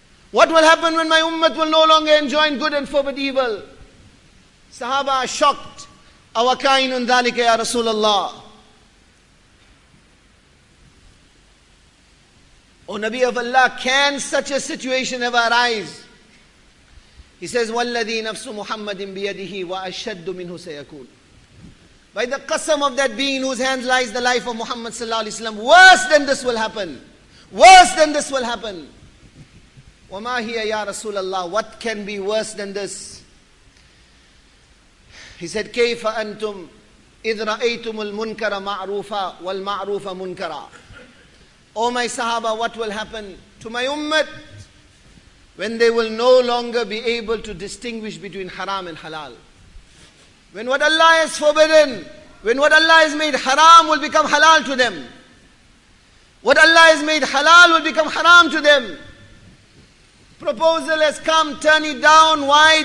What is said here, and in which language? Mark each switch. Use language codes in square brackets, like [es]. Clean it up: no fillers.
[en] What will happen when my ummah will no longer enjoin good and forbid evil? Sahaba are shocked. [ar] Awakainun dhalika ya Rasulullah. [en] O Nabi of Allah, can such a situation ever arise? He says, [ar] وَالَّذِي نَفْسُ مُحَمَّدٍ بِيَدِهِ وَأَشَدُّ مِنْهُ سَيَكُونَ. [en] By the qasam of that being in whose hands lies the life of Muhammad sallallahu alayhi wa sallam, worse than this will happen. Worse than this will happen. [ar] وَمَا هِيَ يَا رَسُولَ اللَّهِ. [en] What can be worse than this? He said, [ar] كَيْفَ أَنْتُمْ إِذْ رَأَيْتُمُ الْمُنْكَرَ مَعْرُوفًا وَالْمَعْرُوفَ مُنْكَرًا. [en] O my sahaba, what will happen to my ummah when they will no longer be able to distinguish between haram and halal? When what Allah has forbidden, when what Allah has made haram will become halal to them. What Allah has made halal will become haram to them. Proposal has come, turn it down. Why?